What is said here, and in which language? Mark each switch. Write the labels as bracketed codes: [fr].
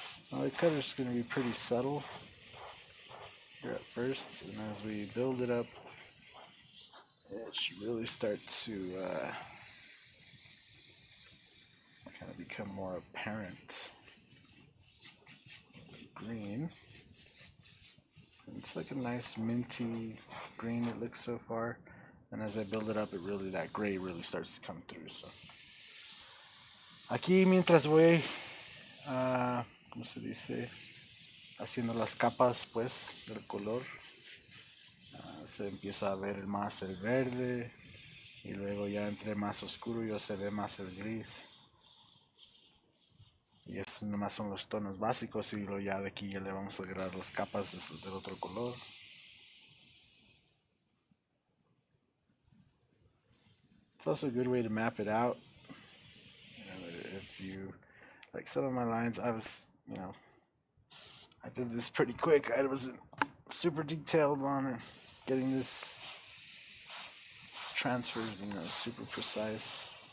[en] The cutter is going to be pretty subtle here at first, and as we build it up, it should really start to kind of become more apparent. Green. It's like a nice minty green it looks so far, and as I build it up, it really that gray really starts to come through. [es] So, aquí mientras voy. Como se dice, haciendo las capas pues del color, se empieza a ver más el verde y luego ya entre más oscuro ya se ve más el gris. Y estos nomás son los tonos básicos y luego ya de aquí ya le vamos a agregar las capas del otro color. [en] It's also a good way to map it out. If you like some of my lines, I was You know, I did this pretty quick. I wasn't super detailed on it. Getting this transfers, you know, super precise.